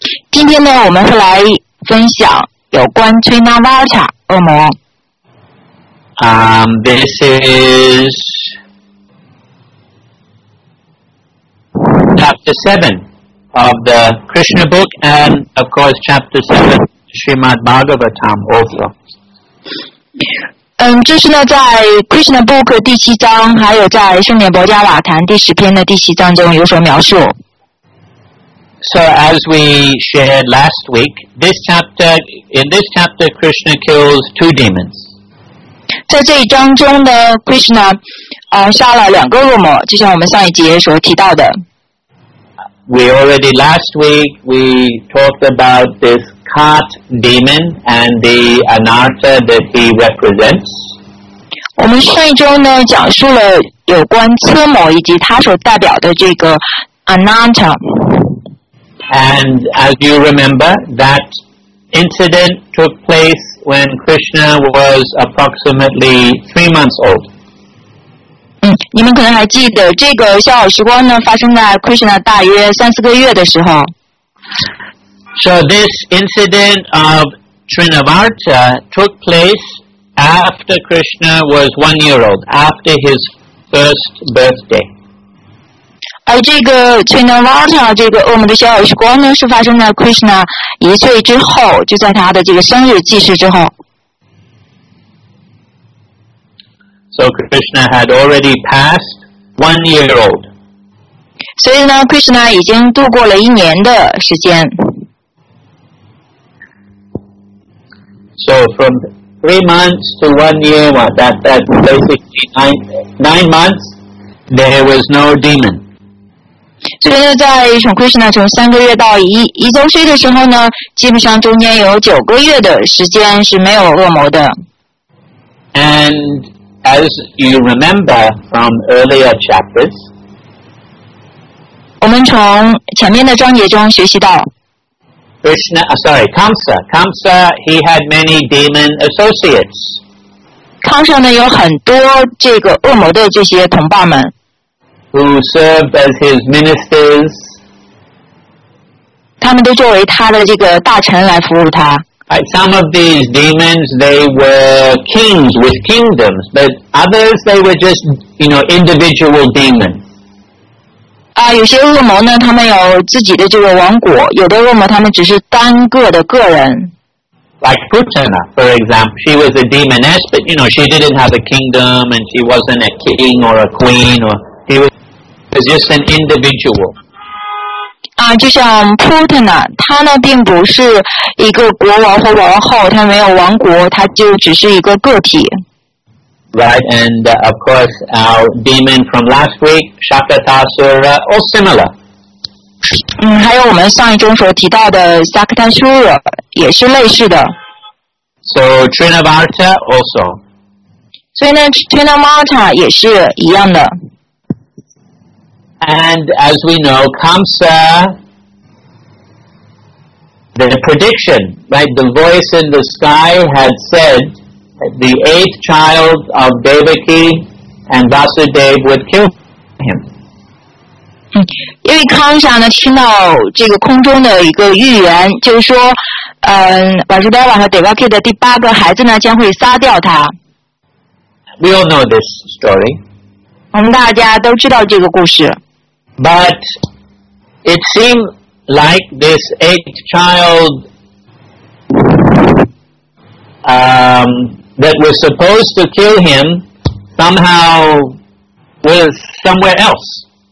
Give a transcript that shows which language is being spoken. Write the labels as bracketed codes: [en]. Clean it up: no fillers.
[zh] 今天呢，我们会来分享有关 Trinavarta 恶魔。 [en] This is chapter 7 of the Krishna book, and of course, chapter 7 Srimad Bhagavatam also. [zh] 这是呢，在 Krishna Book 第七章，还有在《圣严伯加瓦坛》第十篇的第七章中有所描述。 [en] So as we shared last week, in this chapter, Krishna kills two demons. [zh] 在这一章中呢 ，Krishna 杀了两个恶魔，就像我们上一节所提到的。 [en] We already last week we talked about this. Cart demon and the anarta that he represents. [zh] 我们上一周呢讲述了有关车魔以及他所代表的这个 anarta. [en] And as you remember, that incident took place when Krishna was approximately 3 months old. [zh] 你们可能还记得这个逍遥时光呢发生在 Krishna 大约三四个月的时候。 [en] So this incident of Trinavarta took place after Krishna was 1 year old, after his first birthday. [zh] 而这个 Trinavarta 这个恶魔的逍遥时光呢，是发生在 Krishna 一岁之后，就在他的这个生日祭祀之后。 [en] So Krishna had already passed 1 year old. [zh] 所以呢 ，Krishna 已经度过了一年的时间。 [en] So from 3 months to 1 year, that basically nine months, there was no demon. [zh] 所以在从 Krishna 从三个月到一周岁的时候呢，基本上中间有九个月的时间是没有恶魔的。 [en] And as you remember from earlier chapters, [zh] 我们从前面的章节中学习到。 [en] Kamsa, he had many demon associates. [zh] Kamsa 呢有很多这个恶魔的这些同伴们 [en] ，who served as his ministers. [zh] 他们都作为他的这个大臣来服务他。 [en] Right, some of these demons, they were kings with kingdoms, but others, they were just, you know, individual demons. [zh] 有些恶魔呢，他们有自己的这个王国；有的恶魔，他们只是单个的个人。 [en] Like Putana, for example, she was a demoness, but you know she didn't have a kingdom, and she wasn't a king or a queen, or she was just an individual. [zh] 就像 Putana, 她呢并不是一个国王或王后，她没有王国，她就只是一个个体。 [en] Right, and of course, our demon from last week, Shakatasura, all similar. [zh] 还有我们上一中所提到的萨克坦苏尔也是类似的。 [en] So Trinavarta also. [zh] 所以呢 ，Trinavarta 也是一样的。 [en] And as we know, Kamsa, the prediction, right? The voice in the sky had said that the eighth child of Devaki and Vasudeva would kill him. [zh] 因为康萨呢听到这个空中的一个预言，就是说，Vasudeva 和 Devaki 的第八个孩子呢将会杀掉他。 [en] We all know this story. [zh] 我们大家都知道这个故事。 [en] But it seemed like this eighth child, that was supposed to kill him, somehow was somewhere else.